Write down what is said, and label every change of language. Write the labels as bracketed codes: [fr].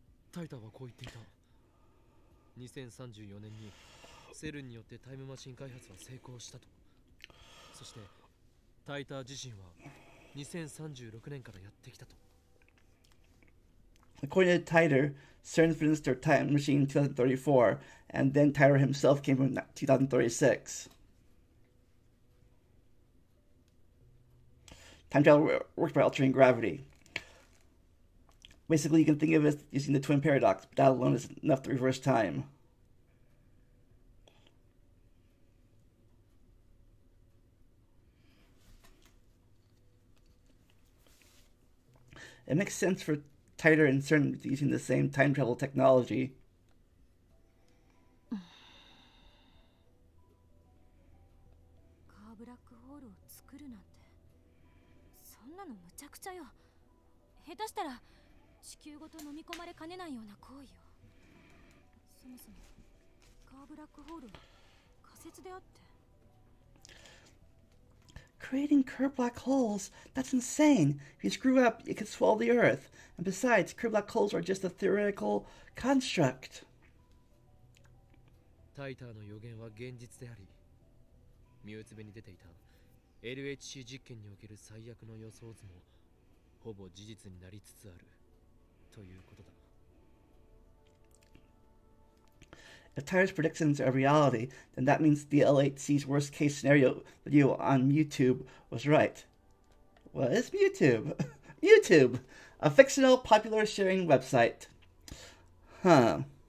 [ja] タイタはこう言っていた。2034年にセルンによってタイムマシン開発は成功したと。そしてタイタ自身は2036年からやってきたと。 [en] According to Titor, CERN finished their time machine in 2034, and then Titor himself came in 2036. Time travel works by altering gravity. Basically, you can think of it as using the twin paradox, but that alone is enough to reverse time. It makes sense for Titor and CERN using the same time travel technology. [ja] カーブラックホールを作るなんて、そんなの無茶苦茶よ。下手したら。地球ごと飲み込まれかねないような行為よ。そもそもカーブラックホールは仮説であって。 [en] Creating curved black holes? That's insane! If you screw up, you could swallow the Earth. And besides, curved black holes are just a theoretical construct. [ja] タイターの予言は現実であり、身内部に出ていた LHC 実験における最悪の予想図もほぼ事実になりつつある。 [en] If Titor's predictions are reality, then that means the LHC's worst case scenario video on YouTube was right. What is YouTube? YouTube! A fictional popular sharing website. Huh.